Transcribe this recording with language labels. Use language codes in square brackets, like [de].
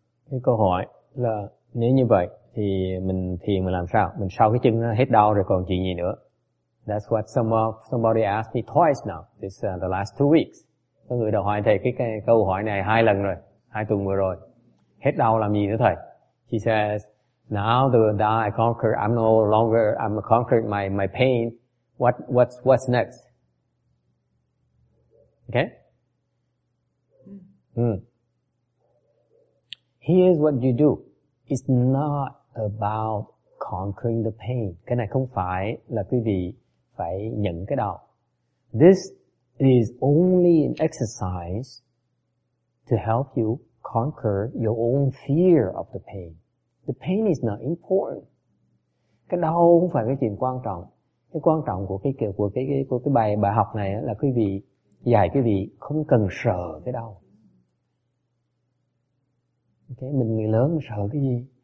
[vi] Cái câu hỏi là nếu như vậy thì mình thiền mình làm sao? Mình sau cái chân nó hết đau rồi còn chuyện gì nữa? [en] That's what somebody asked me twice now. This the last 2 weeks. [vi] Có người đã hỏi thầy cái câu hỏi này 2 lần rồi, 2 tuần vừa rồi. Hết đau làm gì nữa thầy? [en] She says, now that I conquered, I'm conquered my pain. What's next? Okay? Here's what you do. It's not about conquering the pain. [vi] Cái này không phải là quý vị phải nhận cái đau. [en] This is only an exercise to help you conquer your own fear of the pain. The pain is not important. [vi] Cái đau không phải cái chuyện quan trọng. Cái quan trọng của cái bài học này là quý vị dạy quý vị không cần sợ cái đau. Okay, mình người lớn mình sợ cái gì?